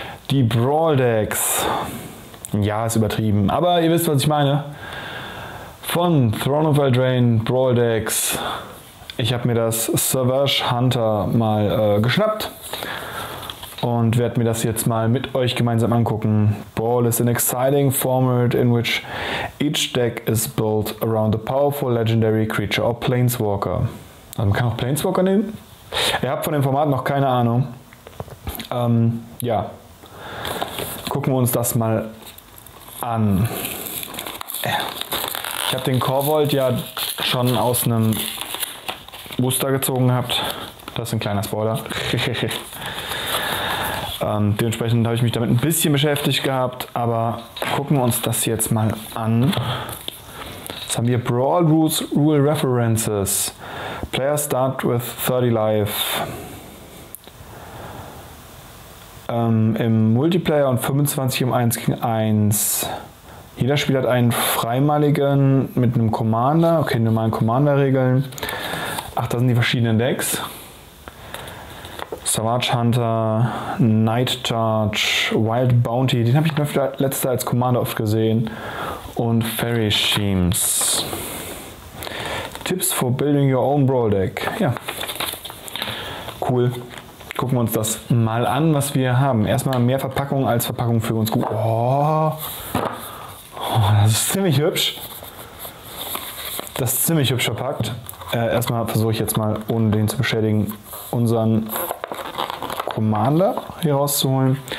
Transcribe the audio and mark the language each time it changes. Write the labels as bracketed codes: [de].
[de] Die Brawl Decks. Ja, ist übertrieben. Aber ihr wisst, was ich meine. Von Throne of Eldraine Brawl Decks. Ich habe mir das Savage Hunter mal geschnappt. Und werde mir das jetzt mal mit euch gemeinsam angucken. [en] Brawl is an exciting format in which each deck is built around a powerful legendary creature or planeswalker. [de] Also man kann auch Planeswalker nehmen. Ihr habt von dem Format noch keine Ahnung. Ja. Gucken wir uns das mal an. Ich habe den Korvold ja schon aus einem Booster gezogen gehabt. Das ist ein kleiner Spoiler. dementsprechend habe ich mich damit ein bisschen beschäftigt gehabt. Aber gucken wir uns das jetzt mal an. Jetzt haben wir Brawl Rules Rule References. [en] Players start with 30 life. [de] Im Multiplayer und 25 im 1 gegen 1. Jeder Spieler hat einen freimaligen mit einem Commander. Okay, normalen Commander-Regeln. Ach, das sind die verschiedenen Decks. Savage Hunter, Night Charge, Wild Bounty. Den habe ich letztes als Commander oft gesehen. Und Fairy Schemes. [en] Tipps for building your own Brawl Deck. [de] Ja, cool. Gucken wir uns das mal an, was wir haben. Erstmal mehr Verpackung als Verpackung für uns. Das ist ziemlich hübsch. Das ist ziemlich hübsch verpackt. Erstmal versuche ich jetzt mal, ohne den zu beschädigen, unseren Commander hier rauszuholen.